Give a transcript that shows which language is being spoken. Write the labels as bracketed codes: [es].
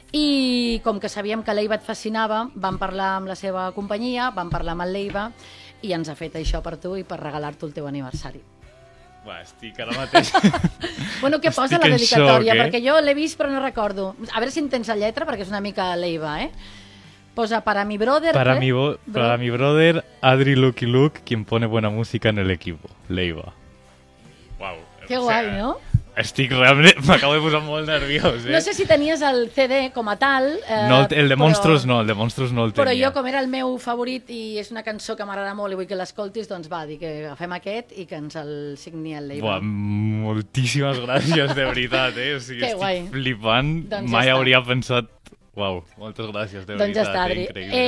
[ca] I com que sabíem que l'Eiva et fascinava, vam parlar amb la seva companyia, vam parlar amb l'Eiva i ens ha fet això per tu i per regalar-te el teu aniversari. Uah, estic ara mateix... Bueno, què posa la dedicatòria? Perquè jo l'he vist però no recordo. A veure si en tens la lletra, perquè és una mica l'Eiva, eh? Posa [es] para mi brother... Para mi brother, Adri Lucky Luke, quien pone buena música en el equipo. Leiva. Uau. [ca] Que guai, no? Estic realment... M'acabo de posar molt nerviós, eh? No sé si tenies el CD com a tal... el de Monstruos no el tenia. Però jo, com era el meu favorit i és una cançó que m'agrada molt i vull que l'escoltis, doncs va, dic que agafem aquest i que ens el signi el Leiva. Uau, moltíssimes gràcies, de veritat, eh? O sigui, que guai. Estic flipant. Doncs mai ja hauria pensat... Uau, moltes gràcies, de doncs ja està, Adri. Increïble.